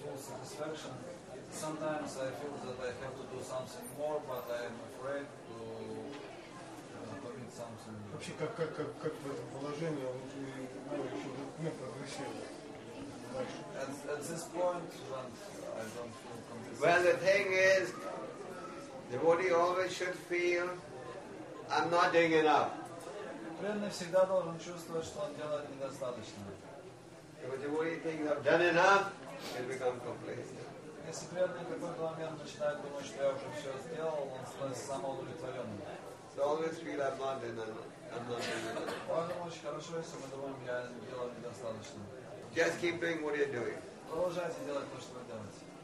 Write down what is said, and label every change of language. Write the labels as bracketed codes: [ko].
[en] sometimes I feel that I have to do something more, but I am afraid to commit something. [ru] Вообще как в этом положении вы еще не прогрессировали? [en] At this point, when I don't feel confident. Well, the thing is, the body always should feel I'm not doing enough. [ru] Преданный всегда должен чувствовать, что он делает недостаточно. [en] If the body thinks I've done enough, he'll become complacent. [ru] Если преданный какой-то момент начинает думать, что я уже все сделал, он становится самоудовлетворенным. [en] So always feel I'm not doing enough. [ru] Поэтому очень хорошо, если мы думаем, я делаю недостаточно. [en] Just keep doing what you're doing. [ru] Продолжайте делать то, что вы делаете.